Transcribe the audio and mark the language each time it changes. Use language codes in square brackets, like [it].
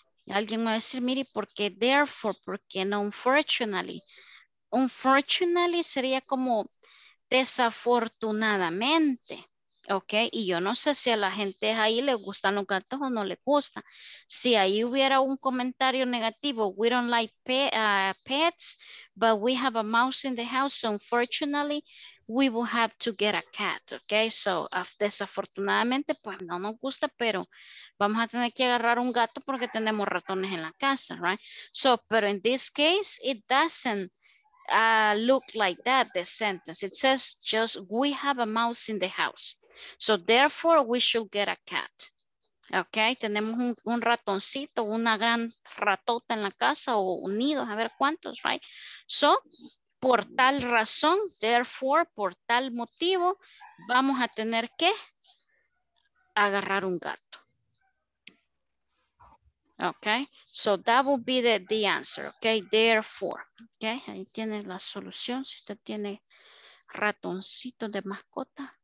[es] Alguien me va a decir, mire, ¿por qué therefore? Porque no, unfortunately. Unfortunately sería como desafortunadamente. Ok, y yo no sé si a la gente ahí le gustan los gatos o no le gusta. Si ahí hubiera un comentario negativo, [en] we don't like pets, but we have a mouse in the house, so unfortunately, we will have to get a cat, ok? [es] So, desafortunadamente, pues no nos gusta, pero vamos a tener que agarrar un gato porque tenemos ratones en la casa, right? [en] So, [es] pero [en] in this case, it doesn't look like that, the sentence. It says just, we have a mouse in the house. So therefore we should get a cat. [es] Okay, tenemos un ratoncito, una gran ratota en la casa o un nido, a ver cuántos, right? So, por tal razón, therefore, por tal motivo, vamos a tener que agarrar un gato. [en] Okay, so that will be the answer, okay? Therefore, okay? [es] Ahí tiene la solución, si usted tiene ratoncito de mascota.